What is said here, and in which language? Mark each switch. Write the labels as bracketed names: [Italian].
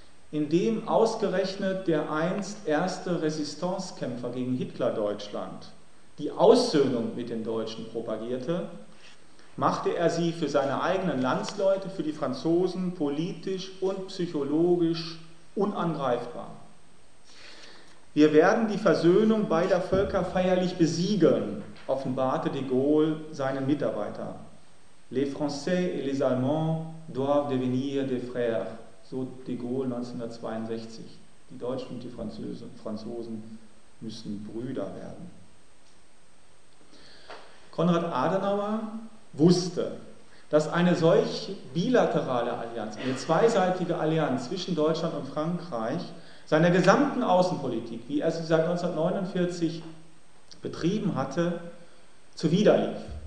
[German] Indem ausgerechnet der einst erste Resistancekämpfer gegen Hitler-Deutschland die Aussöhnung mit den Deutschen propagierte, machte er sie für seine eigenen Landsleute, für die Franzosen, politisch und psychologisch unangreifbar. Wir werden die Versöhnung beider Völker feierlich besiegeln, offenbarte de Gaulle seinen Mitarbeiter. [French] Les Français et les Allemands doivent devenir des frères, [German] so de Gaulle 1962. Die Deutschen und die Franzosen müssen Brüder werden. Konrad Adenauer wusste, dass eine solch bilaterale Allianz, eine zweiseitige Allianz zwischen Deutschland und Frankreich, seiner gesamten Außenpolitik, wie er sie seit 1949 betrieben hatte, zuwiderlief.